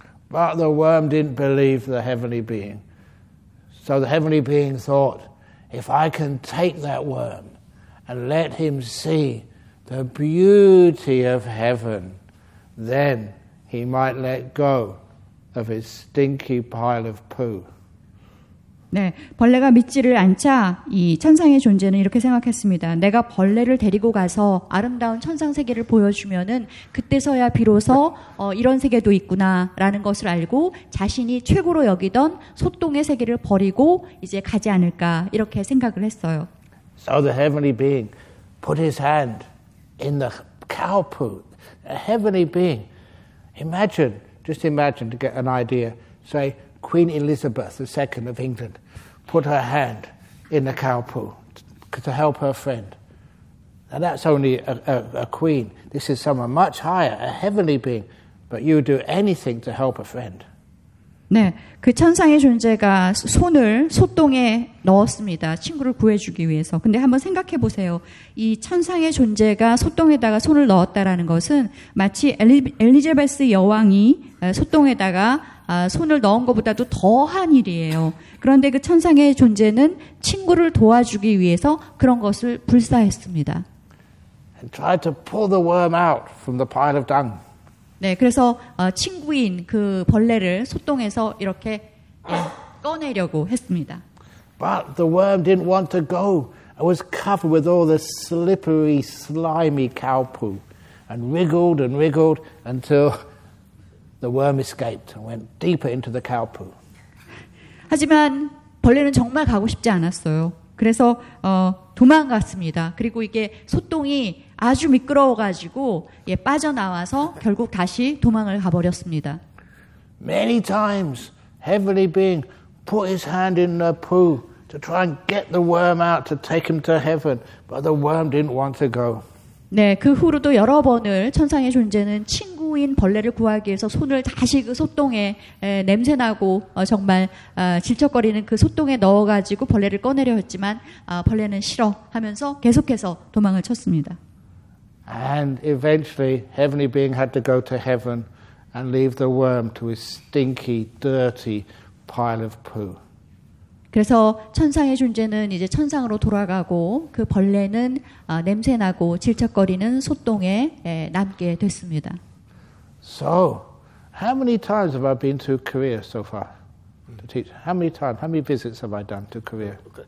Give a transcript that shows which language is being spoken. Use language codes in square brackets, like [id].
[en] But the worm didn't believe the heavenly being. So the heavenly being thought, "If I can take that worm and let him see the beauty of heaven, then he might let go of his stinky pile of poo." [ko] 네, 벌레가 믿지를 않자 이 천상의 존재는 이렇게 생각했습니다. 내가 벌레를 데리고 가서 아름다운 천상 세계를 보여주면은 그때서야 비로소 이런 세계도 있구나라는 것을 알고 자신이 최고로 여기던 소똥의 세계를 버리고 이제 가지 않을까 이렇게 생각을 했어요. [en] So the heavenly being put his hand in the cow poo. A heavenly being, imagine, just imagine to get an idea, say Queen Elizabeth II of England put her hand in the cow poo to help her friend. Now that's only a queen. This is someone much higher, a heavenly being, but you do anything to help a friend. [ko] 네, 그 천상의 존재가 손을 소똥에 넣었습니다. 친구를 구해주기 위해서. 근데 한번 생각해 보세요. 이 천상의 존재가 소똥에다가 손을 넣었다라는 것은 마치 엘리자베스 여왕이 소똥에다가 손을 넣은 것보다도 더한 일이에요. 그런데 그 천상의 존재는 친구를 도와주기 위해서 그런 것을 불사했습니다. [en] And tried to pull the worm out from the pile of dung. [ko] 네, 그래서 친구인 그 벌레를 소똥에서 이렇게 꺼내려고 했습니다. [en] But the worm didn't want to go. It was covered with all this slippery, slimy cow poo and wriggled until the worm escaped and went deeper into the cow poo. [ko] 하지만 벌레는 정말 가고 싶지 않았어요. 그래서 도망갔습니다. 그리고 이게 소똥이 아주 미끄러워가지고 예, 빠져나와서 결국 다시 도망을 가버렸습니다. [en] Many times, heavily being put his hand in the poo to try and get the worm out to take him to heaven, but the worm didn't want to go. [ko] 네, 그 후로도 여러 번을 천상의 존재는 친구인 벌레를 구하기 위해서 손을 다시 그 소똥에 에, 냄새나고 어, 정말 어, 질척거리는 그 소똥에 넣어가지고 벌레를 꺼내려 했지만 어, 벌레는 싫어 하면서 계속해서 도망을 쳤습니다. [en] And eventually, heavenly being had to go to heaven and leave the worm to his stinky, dirty pile of poo. [ko] 그래서 천상의 존재는 이제 천상으로 돌아가고 그 벌레는 냄새나고 질척거리는 소똥에 남게 됐습니다. [en] So, how many times have I been to Korea so far to teach? How many times, how many visits have I done to Korea?